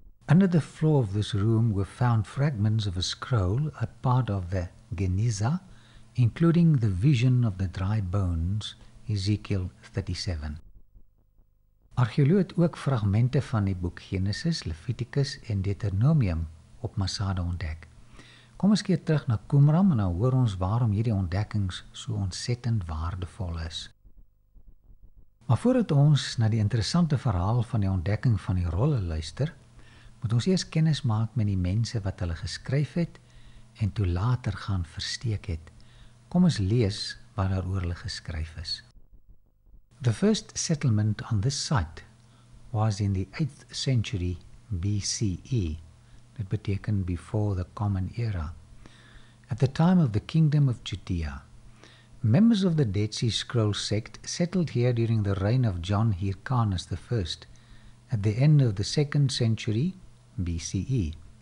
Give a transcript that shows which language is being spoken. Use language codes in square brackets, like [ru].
[en] Under the floor of this room were found fragments of a scroll, a part of the Geniza, including the vision of the dry bones, Ezekiel 37. [af] Archeoloog het ook fragmente van die boek Genesis, Leviticus en Deuteronomium op Masada ontdek. Kom eens keer terug na Qumran en dan hoor ons waarom hierdie ontdekkings so ontsettend waardevol is. Maar voordat ons na die interessante verhaal van die ontdekking van die rolle luister, moet ons eers kennis maak met die mense wat hulle geskryf het en toe later gaan versteek het. Kom eens lees wat daar oor hulle geskryf is. [en] The first settlement on this site was in the 8th century BCE. [af] Dit beteken [en] before the Common Era, at the time of the Kingdom of Judea. Members of the Dead Sea Scroll sect settled here during the reign of John Hyrcanus I at the end of the 2nd century BCE.